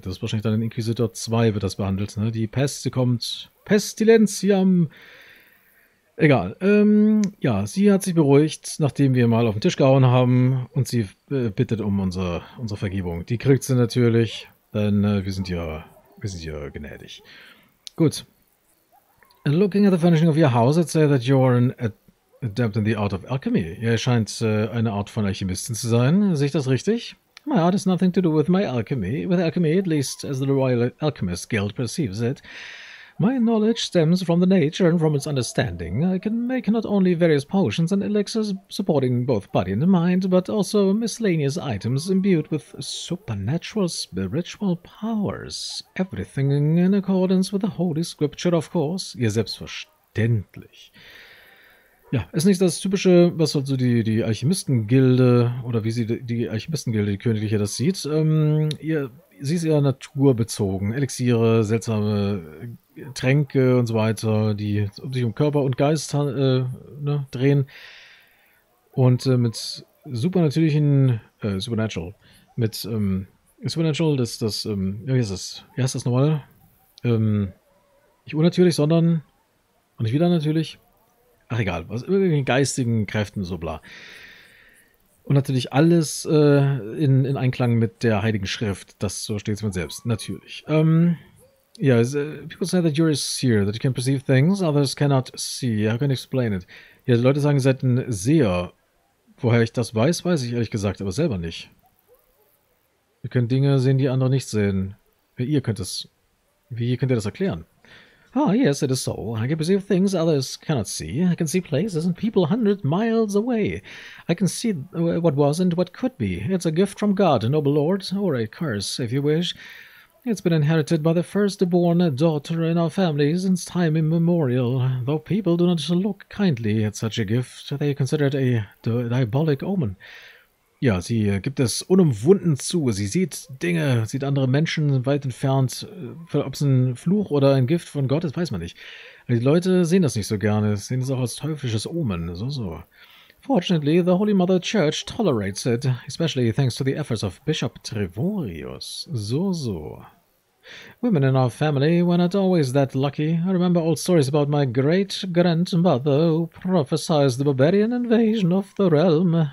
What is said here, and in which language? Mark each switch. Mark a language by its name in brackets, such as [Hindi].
[German] Das ist wahrscheinlich dann in Inquisitor 2 wird das behandelt, ne? Die Pest, sie kommt. Pestilentiam. Egal. Ja, sie hat sich beruhigt, nachdem wir mal auf den Tisch gehauen haben und sie bittet um unsere Vergebung. Die kriegt sie natürlich, denn wir sind ja gnädig. Gut. [English] Looking at the furnishing of your house, I'd say that you're an adept in the art of alchemy. [German] Ihr scheint eine Art von Alchemisten zu sein. Sehe ich das richtig? [English] My art has nothing to do with my alchemy. With alchemy, at least as the Royal Alchemist Guild perceives it. My knowledge stems from the nature and from its understanding. I can make not only various potions and elixirs supporting both body and mind, but also miscellaneous items imbued with supernatural spiritual powers. Everything in accordance with the Holy Scripture, of course. [German] Ja, selbstverständlich. Ja, ist nicht das Typische, was halt so die Alchemistengilde, oder wie sie die Alchemistengilde, die Königliche, das sieht. Sie ist eher naturbezogen. Elixiere, seltsame Tränke und so weiter, die sich um Körper und Geist drehen. Und mit supernatürlichen, supernatural, mit supernatural, wie heißt das nochmal? Nicht unnatürlich, sondern, und nicht wieder natürlich, ach egal, was, irgendwelchen geistigen Kräften, so bla. Und natürlich alles in Einklang mit der Heiligen Schrift, das so steht es mir selbst, natürlich. [English] People say that you're a seer, that you can perceive things others cannot see. How can I explain it? [German] Ja, die Leute sagen, ihr seid ein Seher. Woher ich das weiß, weiß ich ehrlich gesagt, aber selber nicht. Ihr könnt Dinge sehen, die andere nicht sehen. Wie könnt ihr das erklären? [English] Ah, yes, it is so. I can perceive things others cannot see. I can see places and people 100 miles away. I can see what was and what could be. It's a gift from God, a noble lord, or a curse, if you wish. It's been inherited by the firstborn daughter in our family since time immemorial. Though people do not look kindly at such a gift, they consider it a diabolic omen. [German] Ja, sie gibt es unumwunden zu. Sie sieht Dinge, sieht andere Menschen weit entfernt. Ob es ein Fluch oder ein Gift von Gott ist, weiß man nicht. Die Leute sehen das nicht so gerne. Sie sehen es auch als teuflisches Omen. So, so. [English] Fortunately, the Holy Mother Church tolerates it, especially thanks to the efforts of Bishop Trevorius. So, so. Women in our family were not always that lucky. I remember old stories about my great-grandmother who prophesied the barbarian invasion of the realm.